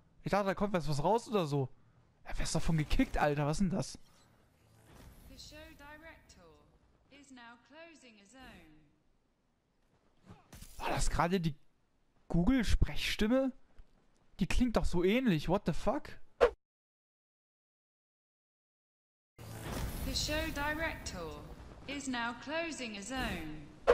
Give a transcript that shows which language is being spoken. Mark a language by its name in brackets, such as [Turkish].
[German] Ich dachte, da kommt jetzt was raus oder so. Ja, wer ist davon gekickt, Alter? Was ist denn das? [English] The show director is now closing his own. [German] War das gerade die Google-Sprechstimme? Die klingt doch so ähnlich. [English] What the fuck? The show director is now closing his own.